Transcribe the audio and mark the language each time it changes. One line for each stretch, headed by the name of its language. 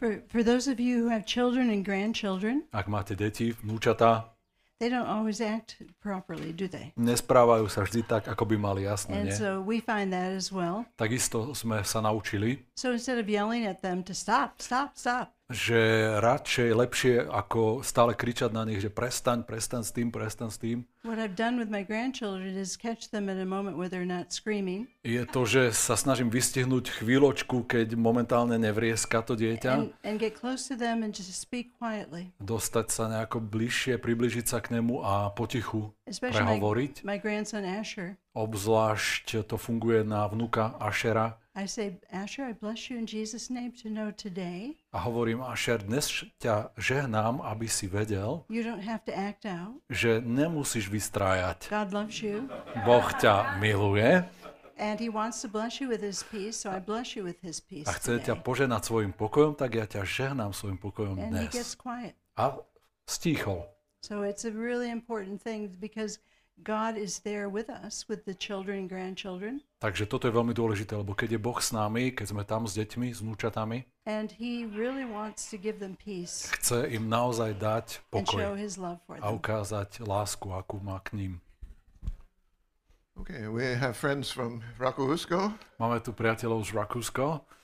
English: For those of you who have children and grandchildren.
Slovak: Ak máte deti, vnúčatá.
English: They don't always act properly, do they?
Slovak: Nesprávajú sa vždy tak, ako by mali, jasne,
English: and
Slovak: nie?
English: So we find that as well.
Slovak: Takisto sme sa naučili.
English: So instead of yelling at them to stop, stop, stop.
Slovak: Že radšej lepšie ako stále kričať na nich, že prestaň, prestaň s tým, prestaň s tým.
English: What I've done with my grandchildren is catch them at a moment where they're not screaming.
Slovak: Je to, že sa snažím vystihnúť chvíľočku, keď momentálne nevrieska to dieťa.
English: And get close to them and just speak quietly.
Slovak: Dostať sa nejako bližšie, približiť sa k nemu a potichu prehovoriť.
English: My grandson Asher.
Slovak: Obzvlášť to funguje na vnuka Ashera.
English: I say, Asher, I bless you in Jesus' name to know today.
Slovak: A hovorím, Asher, dnes ťa žehnám, aby si vedel,
English: you don't have to act out,
Slovak: že nemusíš vystrájať.
English: God loves you.
Slovak: Boh ťa miluje.
English: And he wants to bless you with his peace, so I bless you with his peace.
Slovak: A chce
English: today
Slovak: ťa požehnať svojim pokojom, tak ja ťa žehnám svojim pokojom
English: and
Slovak: dnes.
English: And he gets quiet.
Slovak: A stíchol.
English: So it's a really important thing because God is there with us with the children and grandchildren.
Slovak: Takže toto je veľmi dôležité, lebo keď je Boh s nami, keď sme tam s deťmi, s vnúčatami.
English: And he really wants to give them peace.
Slovak: Chce im naozaj dať pokoj.
English: And show his love for them.
Slovak: A ukázať lásku, akú má k ním.
English: Okay, we have friends from Rakúsko.
Slovak: Máme tu priateľov z Rakúska.